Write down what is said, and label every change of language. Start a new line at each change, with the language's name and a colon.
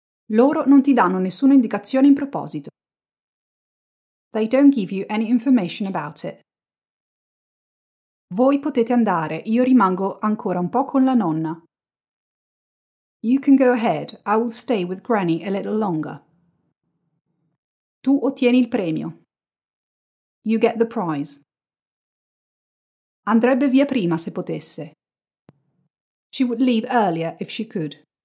Italian: Loro non ti danno nessuna indicazione in proposito.
English: They don't give you any information about it.
Italian: Voi potete andare, io rimango ancora un po' con la nonna.
English: You can go ahead, I will stay with Granny a little longer.
Italian: Tu ottieni il premio.
English: You get the prize.
Italian: Andrebbe via prima se potesse.
English: She would leave earlier if she could.